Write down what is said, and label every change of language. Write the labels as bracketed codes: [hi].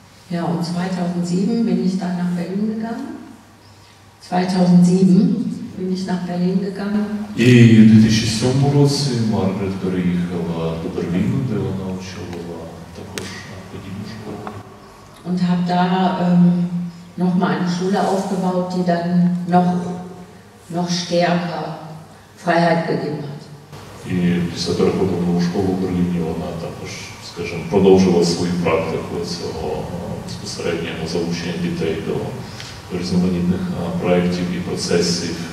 [de] Ja, und 2007 bin ich dann nach Berlin gegangen. 2007 bin ich nach Berlin gegangen. [uk] І у 2007 році Маргарет переїхала до Берліну, де вона очолила також подібну школу. [de] Und habe da noch mal eine Schule aufgebaut, die dann noch stärker Freiheit gegeben hat. [uk] І після переходу в школу в Берліні вона також, скажімо, продовжила свою практику цього безпосереднього залучення дітей до різноманітних проєктів і процесів.